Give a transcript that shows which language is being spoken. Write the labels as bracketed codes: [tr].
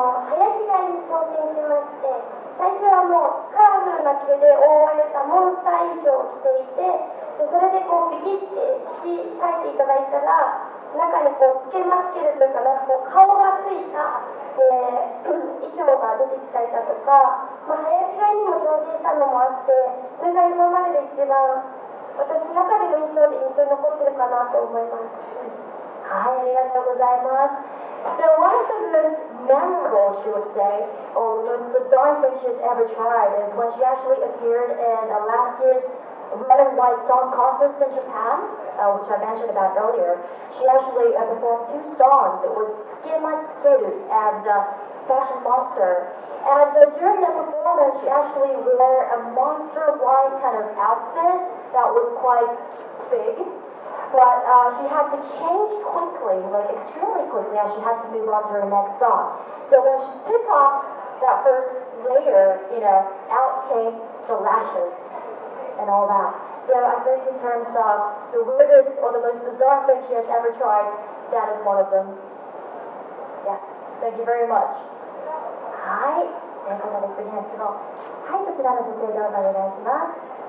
[ja] 早着替えに挑戦しまして、最初はもうカラフルな毛で覆われたモンスター衣装を着ていて、でそれでこうビキッて引き裂いていただいたら、中にこうつけまつけるというか、なんかこう顔がついた、衣装が出てきたりだとか、まあ、早着替えにも挑戦したのもあって、それが今までで一番私の中でも衣装で印象に残ってるかなと思います。はい、ありがとうございます。 [en] So one of the most memorable, she would say, or the most bizarre thing she's ever tried is when she actually appeared in last year's Red and White Song Contest in Japan, which I mentioned about earlier. She actually performed two songs. It was Skimatsukeru and Fashion Monster. And during the performance, she actually wore a monster-like kind of outfit that was quite big. But she had to change quickly, like extremely quickly, as she had to move on to her next song. So when she took off that first layer, out came the lashes and all that. So I think in terms of the weirdest or the most bizarre thing she has ever tried, that is one of them. Yes, thank you very much. [ja] Hi, ということで次の質問。はい、そちらの女性どうぞお願いします。